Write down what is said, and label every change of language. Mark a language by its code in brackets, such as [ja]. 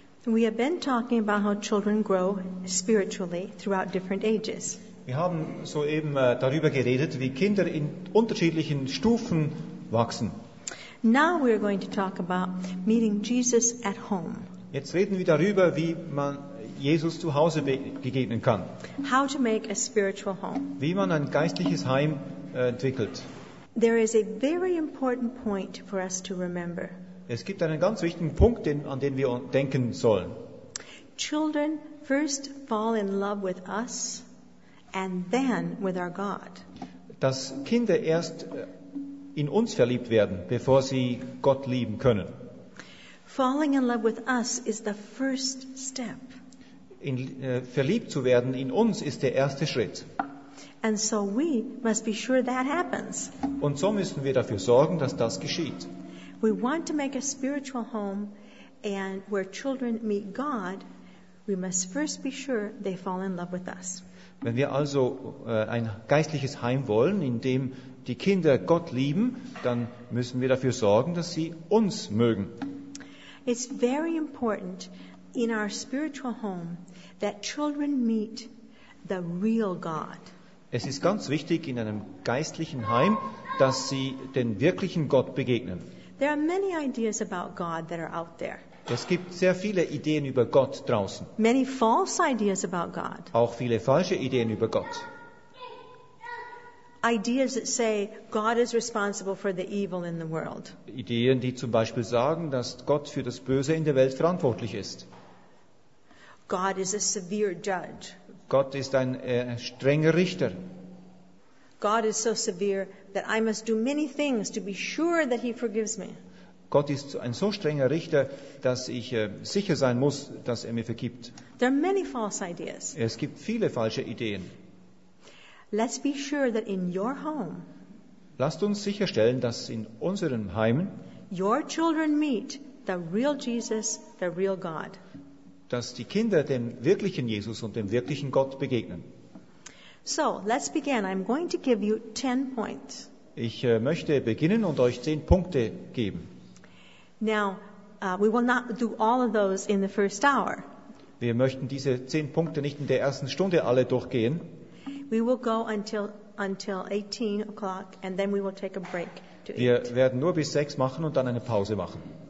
[en] We have been talking about how children grow spiritually throughout different ages. [de] Wir haben soeben darüber geredet, wie Kinder in unterschiedlichen Stufen wachsen. [en] Now we are going to talk about meeting Jesus at home. [de] Jetzt reden wir darüber, wie man Jesus zu Hause begegnen kann. [en] How to make a spiritual home. [de] Wie man ein geistliches Heim entwickelt. [en] There is a very important point for us to remember. [de] Es gibt einen ganz wichtigen Punkt, an den wir denken sollen. [en] Children first fall in love with us and then with our God. [de] Dass Kinder erst in uns verliebt werden, bevor sie Gott lieben können. [en] Falling in love with us is the first step. [de] Verliebt zu werden in uns ist der erste Schritt. [en] And so we must be sure that happens. [de] Und so müssen wir dafür sorgen, dass das geschieht. [en] We want to make a spiritual home and where children meet God, we must first be sure they fall in love with us. [de] Wenn wir also ein geistliches Heim wollen, in dem die Kinder Gott lieben, dann müssen wir dafür sorgen, dass sie uns mögen. [en] It's very important in our spiritual home that children meet the real God. [de] Es ist ganz wichtig in einem geistlichen Heim, dass sie den wirklichen Gott begegnen. [en] There are many ideas about God that are out there. [de] Es gibt sehr viele Ideen über Gott draußen. [en] Many false ideas about God. [de] Auch viele falsche Ideen über Gott. [en] Ideas that say God is responsible for the evil in the world. [de] Ideen, die zum Beispiel sagen, dass Gott für das Böse in der Welt verantwortlich ist. [en] God is a severe judge. [de] Gott ist ein strenger Richter. [en] God is so severe that I must do many things to be sure that he forgives me. [de] Gott ist ein so strenger Richter, dass ich sicher sein muss, dass mir vergibt. [en] There are many false ideas. [de] Es gibt viele falsche Ideen. [en] Let's be sure that in your home. [de] Lasst uns sicherstellen, dass in unserem Heim [en] your children meet the real Jesus, the real God. [de] Dass die Kinder dem wirklichen Jesus und dem wirklichen Gott begegnen. [en] So, let's begin. I'm going to give you 10 points. [de] Ich möchte beginnen und euch 10 Punkte geben. [en] Now, we will not do all of those in the first hour. [de] Wir möchten diese 10 Punkte nicht in der ersten Stunde alle durchgehen. [en] We will go until 18 o'clock and then we will take a break to eat. [de] Wir werden nur bis 6 machen und dann eine Pause machen.